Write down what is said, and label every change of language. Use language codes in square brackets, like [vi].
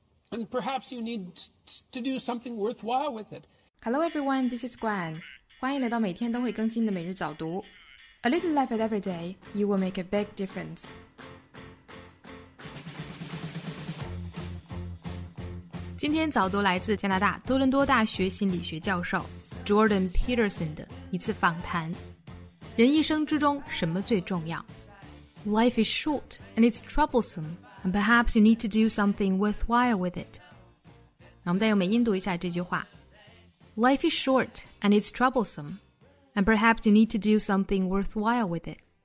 [en] And perhaps you need to do something worthwhile with it. Hello everyone, this is Gwen. [zh] 欢迎来到每天都会更新的每日早读。 [en] A little life at every day, you will make a big difference. [zh] Today, 早读来自加拿大多伦多大学心理学教授 Jordan Peterson 的一次访谈。人一生之中什么最重要？ [en] Life is short and it's troublesome, and perhaps you need to do something worthwhile with it. [zh] 那我们再用美音读一下这句话。 [en] Life is short and it's troublesome, and perhaps you need to do something worthwhile with it.